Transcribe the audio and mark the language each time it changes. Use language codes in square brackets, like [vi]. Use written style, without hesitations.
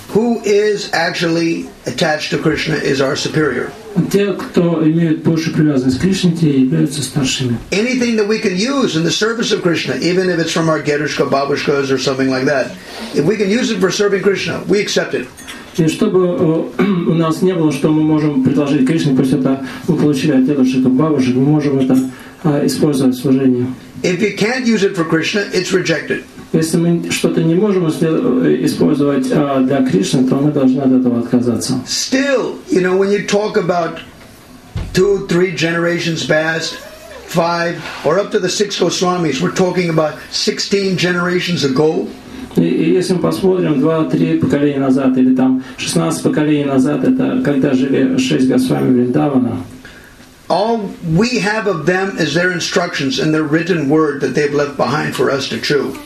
[en] Who is actually attached to Krishna is our superior. [ru] Те, кто имеют большую привязанность к Кришне, те являются старшими. [en] Anything that we can use in the service of Krishna, even if it's from our [ru] дедушка, бабушкас [en] or something like that, if we can use it for serving Krishna, we accept it. [ru] И чтобы у нас не было, что мы можем предложить Кришне, пусть это мы получили от дедушек и бабушек, мы можем это использовать в служении. [en] If you can't use it for Krishna, it's rejected. [ru] Если мы что-то не можем использовать для Кришны, то мы должны от этого отказаться. [en] Still, you know, when you talk about two, three generations past, five, or up to the six Goswamis, we're talking about 16 generations ago. [ru] И если мы посмотрим 2-3 поколения назад, или там 16 поколений назад, это когда жили 6 Госвами Вриндавана. [en] All we have of them is their instructions and their written word that they've left behind for us to chew.